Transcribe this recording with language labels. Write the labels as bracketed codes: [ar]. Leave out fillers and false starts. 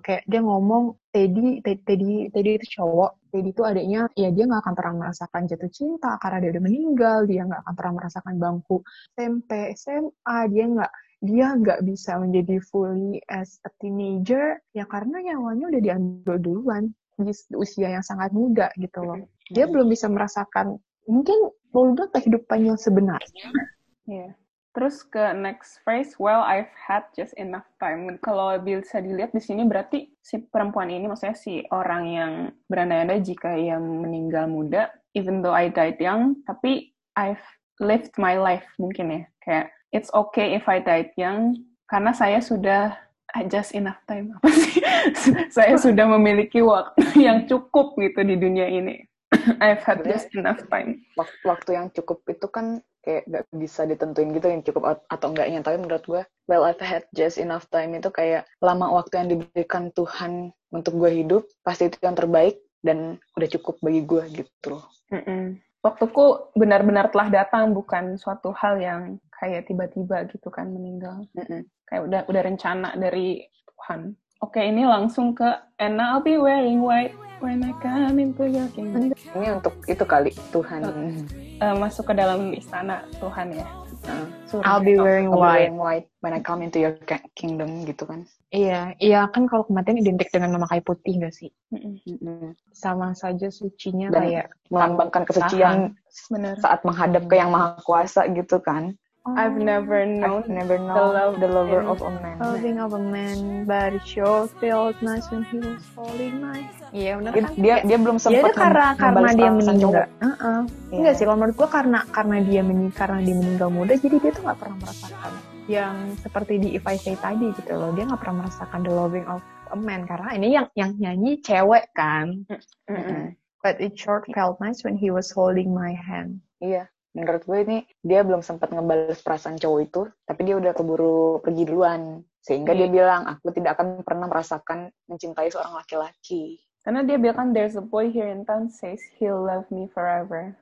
[id] Kayak dia ngomong Teddy itu cowok, Teddy itu adiknya, ya dia nggak akan pernah merasakan jatuh cinta karena dia udah meninggal, dia nggak akan pernah merasakan bangku SMP, SMA, dia nggak bisa menjadi [en] fully as a teenager, [id] ya karena nyawanya udah diambil duluan di usia yang sangat muda gitu loh. Dia belum bisa merasakan mungkin mulut kehidupan yang sebenarnya. Terus ke [en] next phrase, well I've had just enough time. [id] Kalau bisa dilihat di sini berarti si perempuan ini, maksudnya si orang yang berandai-andai jika ia meninggal muda, [en] even though I died young, [id] tapi [en] I've lived my life [id] mungkin ya. Kayak [en] it's okay if I died young [id] karena saya sudah [en] just enough time, [id] apa sih? Saya sudah memiliki waktu yang cukup gitu di dunia ini. [en] I've had just enough time. [id] Waktu yang cukup itu kan kayak gak bisa ditentuin gitu yang cukup atau enggaknya. Tapi menurut gue, [en] well I've had just enough time [id] itu kayak lama waktu yang diberikan Tuhan untuk gue hidup, pasti itu yang terbaik dan udah cukup bagi gue gitu. Waktuku benar-benar telah datang, bukan suatu hal yang kayak tiba-tiba gitu kan meninggal. Kayak udah rencana dari Tuhan. Oke, ini langsung ke [en] And I'll be wearing white when I come into your kingdom. [id] Ini untuk itu kali, Tuhan. Masuk ke dalam istana Tuhan ya. [en] I'll be wearing white when I come into your kingdom [id] gitu kan. Iya, iya kan kalau kematian identik dengan memakai putih gak sih? Sama saja sucinya dan kayak melambangkan kesucian saat menghadap ke yang maha kuasa gitu kan. [en] I've never known the lover of a man. The loving of a man, but it sure felt nice when he was falling nice. [id] Iya, benar. Dia belum sempat. Iya, karena dia meninggal. Enggak sih, kalau menurut gua karena dia meninggal muda, jadi dia tuh nggak pernah merasakan yang seperti di If I Say tadi gitu loh. Dia nggak pernah merasakan [en] the loving of a man [id] karena ini yang nyanyi cewek kan. [en] But it sure felt nice when he was holding my hand. [id] Iya. Menurut gue ini dia belum sempat ngebales perasaan cowok itu, tapi dia udah keburu pergi duluan. Sehingga dia bilang, aku tidak akan pernah merasakan mencintai seorang laki-laki. Karena dia bilang, [en] there's a boy here in town says he'll love me forever.